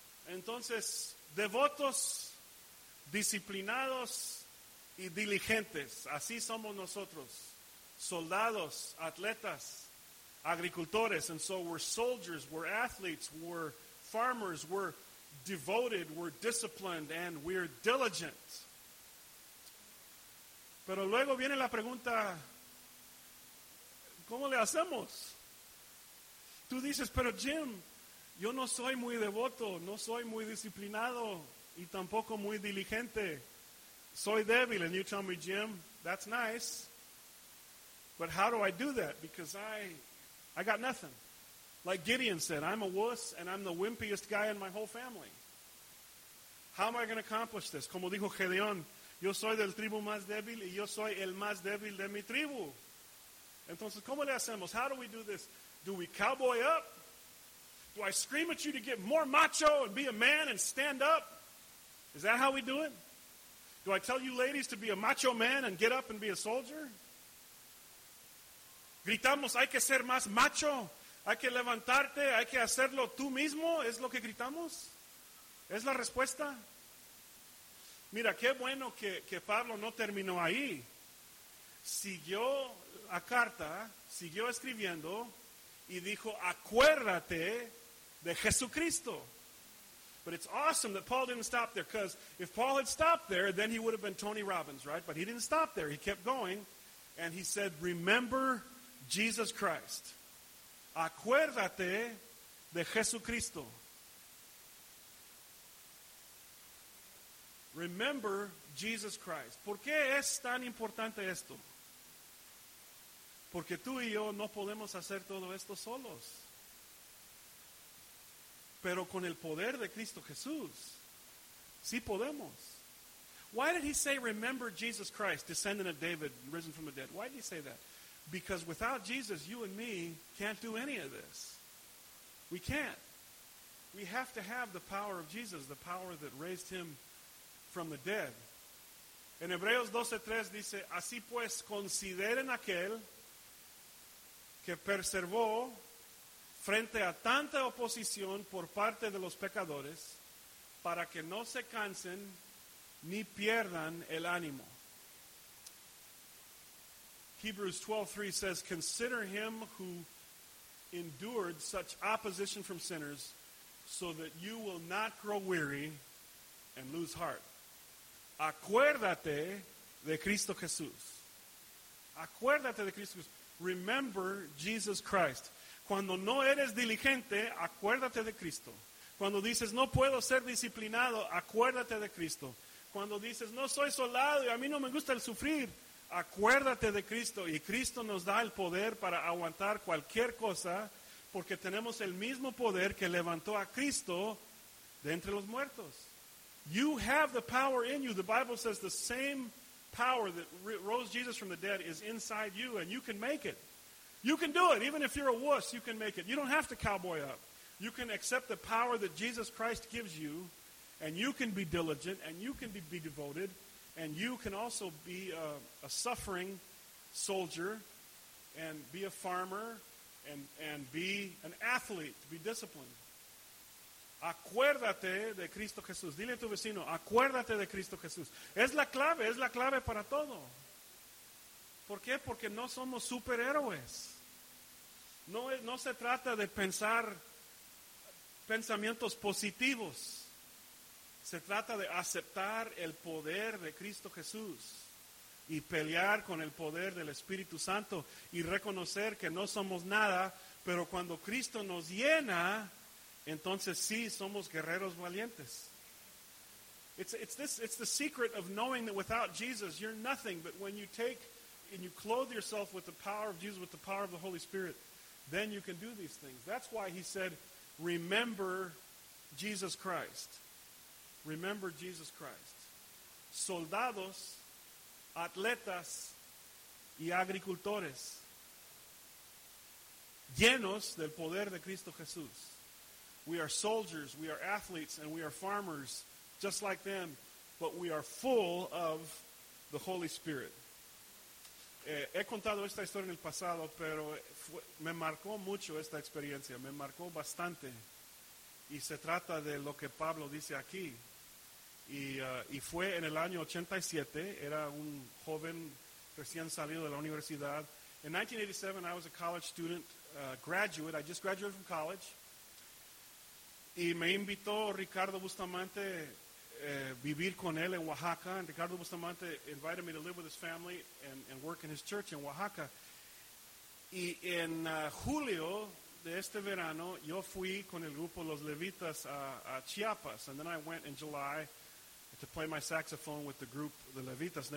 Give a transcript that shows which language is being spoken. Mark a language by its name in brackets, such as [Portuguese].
[Spanish] Entonces, devotos, disciplinados y diligentes. Así somos nosotros. Soldados, atletas, agricultores. [English] And so we're soldiers, we're athletes, we're farmers, we're devoted, we're disciplined, and we're diligent. [Spanish] Pero luego viene la pregunta, ¿cómo le hacemos? Tú dices, pero Jim, yo no soy muy devoto, no soy muy disciplinado y tampoco muy diligente. Soy débil. [English] And you tell me, Jim, that's nice. But how do I do that? Because I got nothing. Like Gideon said, I'm a wuss and I'm the wimpiest guy in my whole family. How am I going to accomplish this? [Spanish] Como dijo Gedeón, yo soy del tribu más débil y yo soy el más débil de mi tribu. Entonces, ¿cómo le hacemos? [English] How do we do this? Do we cowboy up? Do I scream at you to get more macho and be a man and stand up? Is that how we do it? Do I tell you ladies to be a macho man and get up and be a soldier? [Spanish] Gritamos, hay que ser más macho. Hay que levantarte. Hay que hacerlo tú mismo. ¿Es lo que gritamos? ¿Es la respuesta? Mira, qué bueno que Pablo no terminó ahí. Siguió la carta, siguió escribiendo y dijo, acuérdate de Jesucristo. [English] But it's awesome that Paul didn't stop there, because if Paul had stopped there, then he would have been Tony Robbins, right? But he didn't stop there. He kept going and he said, remember Jesus Christ. [Spanish] Acuérdate de Jesucristo. [English] Remember Jesus Christ. [Spanish] ¿Por qué es tan importante esto? Porque tú y yo no podemos hacer todo esto solos. Pero con el poder de Cristo Jesús, sí podemos. [English] Why did he say, remember Jesus Christ, descendant of David, risen from the dead? Why did he say that? Because without Jesus, you and me can't do any of this. We can't. We have to have the power of Jesus, the power that raised him from the dead. [Spanish] En Hebreos 12:3 dice, así pues, consideren aquel que preservó frente a tanta oposición por parte de los pecadores para que no se cansen ni pierdan el ánimo. [English] Hebrews 12:3 says, consider him who endured such opposition from sinners so that you will not grow weary and lose heart. [Spanish] Acuérdate de Cristo Jesús. Acuérdate de Cristo Jesús. [English] Remember Jesus Christ. [Spanish] Cuando no eres diligente, acuérdate de Cristo. Cuando dices, no puedo ser disciplinado, acuérdate de Cristo. Cuando dices, no soy soldado y a mí no me gusta el sufrir, acuérdate de Cristo. Y Cristo nos da el poder para aguantar cualquier cosa, porque tenemos el mismo poder que levantó a Cristo de entre los muertos. [English] You have the power in you. The Bible says the same power that rose Jesus from the dead is inside you, and you can make it. You can do it. Even if you're a wuss, you can make it. You don't have to cowboy up. You can accept the power that Jesus Christ gives you, and you can be diligent, and you can be devoted, and you can also be a suffering soldier, and be a farmer, and be an athlete, be disciplined. [Spanish] Acuérdate de Cristo Jesús. Dile a tu vecino, acuérdate de Cristo Jesús. Es la clave para todo. ¿Por qué? Porque no somos superhéroes. No se trata de pensar pensamientos positivos. Se trata de aceptar el poder de Cristo Jesús y pelear con el poder del Espíritu Santo y reconocer que no somos nada, pero cuando Cristo nos llena, entonces sí somos guerreros valientes. [English] It's the secret of knowing that without Jesus you're nothing, but when you take and you clothe yourself with the power of Jesus, with the power of the Holy Spirit, then you can do these things. That's why he said, remember Jesus Christ. Remember Jesus Christ. [Spanish] Soldados, atletas, y agricultores, llenos del poder de Cristo Jesús. [English] We are soldiers, we are athletes, and we are farmers, just like them, but we are full of the Holy Spirit. [Spanish] He contado esta historia en el pasado, pero me marcó mucho esta experiencia, me marcó bastante. Y se trata de lo que Pablo dice aquí. Y fue en el año 87, era un joven recién salido de la universidad. [English] In 1987, I was a college student, graduate. I just graduated from college. [Spanish] Y me invitó Ricardo Bustamante vivir con él en Oaxaca. [English] And Ricardo Bustamante invited me to live with his family and work in his church in Oaxaca. [Spanish] Y en julio de este verano, yo fui con el grupo Los Levitas a Chiapas. [English] And then I went in July to play my saxophone with the group The Levitas.